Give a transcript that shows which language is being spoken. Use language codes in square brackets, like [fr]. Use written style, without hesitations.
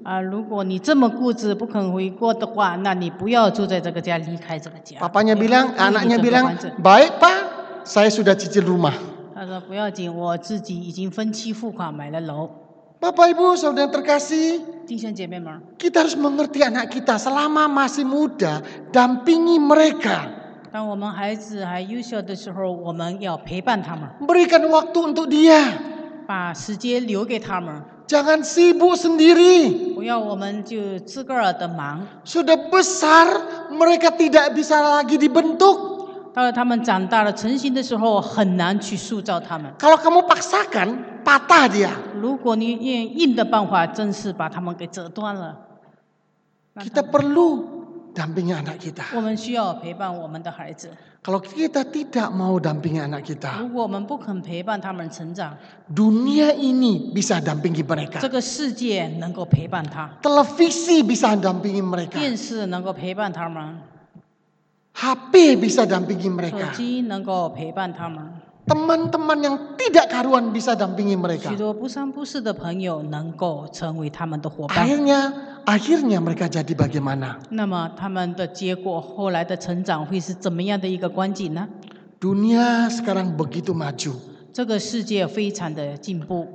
[zh] 如果你这么固执不肯回国的话，那你不要住在这个家，离开这个家。 [id] Papanya bilang, anaknya bilang, baik pa, saya sudah cicil rumah。 [zh] 他说不要紧，我自己已经分期付款买了楼。 [id] Bapak Ibu saudara yang terkasih, kita harus mengerti anak kita selama masih muda, dampingi mereka. [zh] 当我们孩子还优秀的时候，我们要陪伴他们。 [id] Berikan waktu untuk dia. [zh] 把时间留给他们。 [id] Jangan sibuk sendiri. [zh] 不要我们就自个儿的忙。 [id] Sudah besar, mereka tidak bisa lagi dibentuk. [zh] 到了他们长大了成型的时候，很难去塑造他们。 [id] Kalau kamu paksakan. Patah dia. [zh] 如果你用硬的办法，真是把他们给折断了。 [id] Kita perlu dampingi anak kita. [zh] 我们需要陪伴我们的孩子。 [id] Kalau kita tidak mau dampingi anak kita, [zh] 如果我们不肯陪伴他们成长， [id] dunia ini bisa dampingi mereka. [zh] 这个世界能够陪伴他。 [id] Televisi bisa dampingi mereka. [zh] 电视能够陪伴他们。 [id] HP bisa dampingi mereka. [zh] 手机能够陪伴他们。 [id] teman-teman yang tidak karuan bisa dampingi mereka. [zh] 许多不三不四的朋友能够成为他们的伙伴。 [id] Akhirnya mereka jadi bagaimana? [zh] 那么他们的结果后来的成长会是怎么样的一个关系呢？ [id] Dunia sekarang begitu maju. [zh] 这个世界非常的进步。